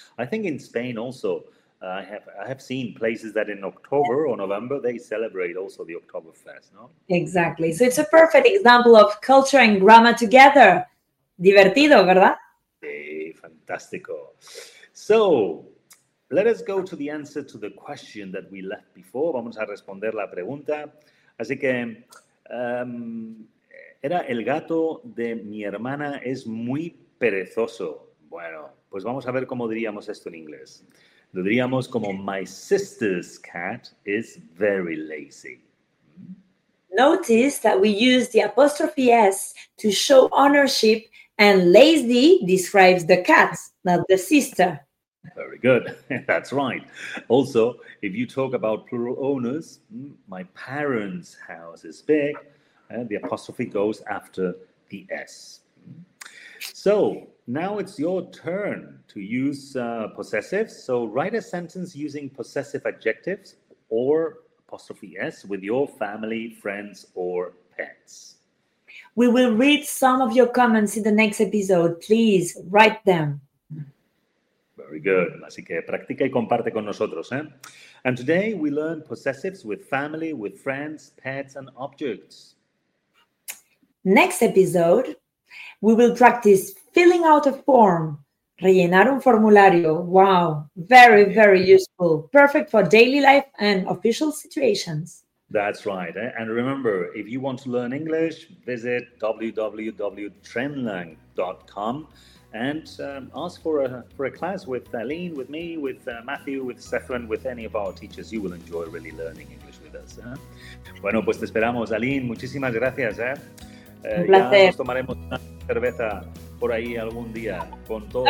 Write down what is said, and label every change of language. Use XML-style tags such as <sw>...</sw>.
<en>I think in Spain also, I have seen places that in October or November, they celebrate also the Oktoberfest, no? Exactly. So it's a perfect example of culture and grammar together.</en> <es>Divertido, ¿verdad? Sí, fantástico.</es> <en>So, let us go to the answer to the question that we left before.</en> <es>Vamos a responder la pregunta. Así que, era el gato de mi hermana es muy perezoso. Bueno, pues vamos a ver cómo diríamos esto en inglés. Lo diríamos como my sister's cat is very lazy.</es> <en>Notice that we use the apostrophe S to show ownership and lazy describes the cat, not the sister. Very good. That's right. Also, if you talk about plural owners, my parents' house is big. The apostrophe goes after the S. So, now it's your turn to use possessives. So, write a sentence using possessive adjectives or apostrophe S with your family, friends, or pets. We will read some of your comments in the next episode. Please write them. Very good.</en> <es>Así que practica y comparte con nosotros, ¿eh?</es> <en>And today we learn possessives with family, with friends, pets, and objects. Next episode, we will practice filling out a form.</en> <es>Rellenar un formulario.</es> <en>Wow. Very, very useful. Perfect for daily life and official situations. That's right. Eh? And remember, if you want to learn English, visit www.trendlang.com and ask for a class with Aline, with me, with Matthew, with Stefan, with any of our teachers. You will enjoy really learning English with us.</en> <es>Eh? Bueno, pues te esperamos. Aline, muchísimas gracias. Eh? Un placer. Ya nos tomaremos una cerveza por ahí algún día con todos</es>